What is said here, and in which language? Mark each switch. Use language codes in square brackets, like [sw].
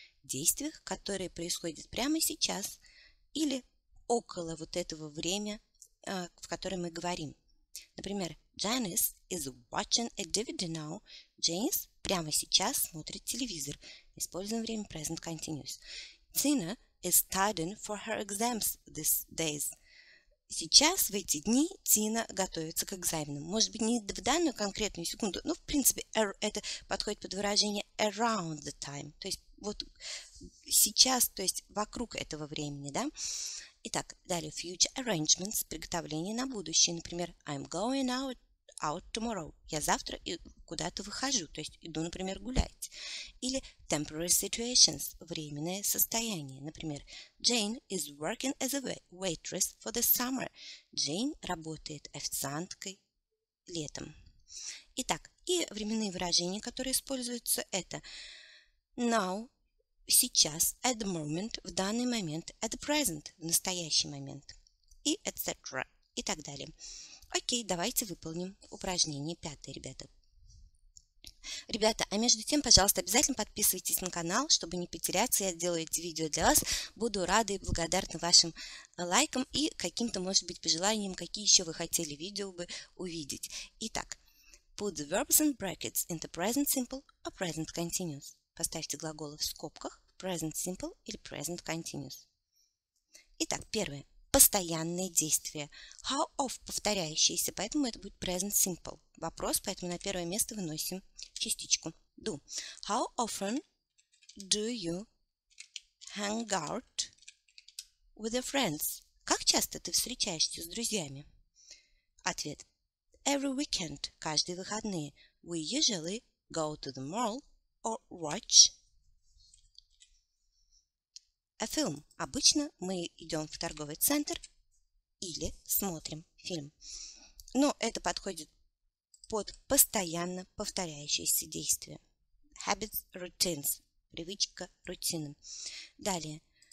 [ru] Действиях, которые происходят прямо сейчас или около вот этого времени, в котором мы говорим. Например, [en] Janice is watching a DVD now. [ru] Janice прямо сейчас смотрит телевизор. Используем время present continuous. [en] Tina is studying for her exams these days. [ru] Сейчас, в эти дни, Тина готовится к экзаменам. Может быть, не в данную конкретную секунду, но, в принципе, это подходит под выражение [en] around the time. [ru] То есть, вот сейчас, то есть, вокруг этого времени, да? Итак, далее, [en] future arrangements, [ru] приготовление на будущее. Например, [en] I'm going out tomorrow. [ru] Я завтра куда-то выхожу, то есть, иду, например, гулять. Или [en] temporary situations, [ru] временное состояние. Например, [en] Jane is working as a waitress for the summer. [ru] Джейн работает официанткой летом. Итак, и временные выражения, которые используются, это now, сейчас, [en] at the moment, [ru] в данный момент, [en] at the present, [ru] в настоящий момент, и etc. и так далее. Окей, давайте выполним упражнение пятое, ребята. Ребята, а между тем, пожалуйста, обязательно подписывайтесь на канал, чтобы не потеряться, я делаю эти видео для вас. Буду рада и благодарна вашим лайкам и каким-то, может быть, пожеланиям, какие еще вы хотели видео бы увидеть. [en] Итак, put the verbs in brackets in the present simple or present continuous. [ru] Поставьте глаголы в скобках в present simple или present continuous. Итак, первое. Постоянное действие. How of повторяющееся, поэтому это будет present simple. Вопрос, поэтому на первое место выносим частичку do. [en] How often do you hang out with your friends? [ru] Как часто ты встречаешься с друзьями? Ответ. [en] Every weekend, [ru] каждые выходные. [en] We usually go to the mall or watch a film. [ru] Обычно мы идем в торговый центр или смотрим фильм. Но это подходит под постоянно повторяющиеся действия. [en] Habits, routines. [ru] Привычка, рутина. Далее.